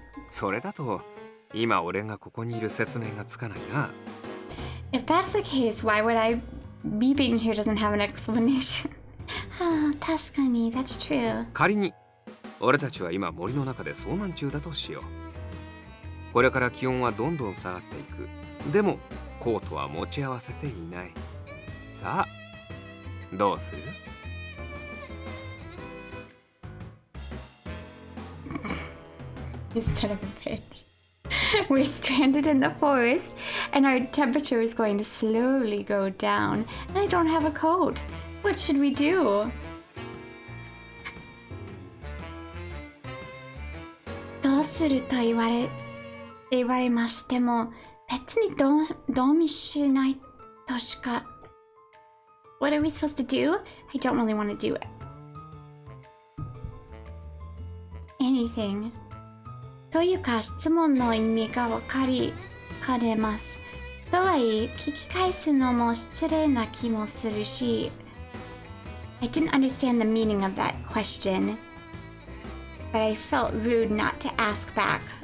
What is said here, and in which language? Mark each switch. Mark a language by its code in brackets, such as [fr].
[ja] それだと、今俺がここにいる説明がつかないな。 [en] If that's the case, why would I be being here doesn't have an explanation? [ja] ああ、確かに、 [en] that's true. [ja] 仮に、俺たちは今森の中で遭難中だとしよう。これから気温はどんどん下がっていく。でも、コートは持ち合わせていない。さあ、どうする? [en] Instead of a pit. We're stranded in the forest and our temperature is going to slowly go down and I don't have a coat. What should we do? [ja] どうすると言われましても別にどうもしないとしか [en] What are we supposed to do? I don't really want to do it. Anything. [ja] というか質問の意味がわかりかねます。とはいえ、聞き返すのも失礼な気もするし。 [en] I didn't understand the meaning of that question, but I felt rude not to ask back.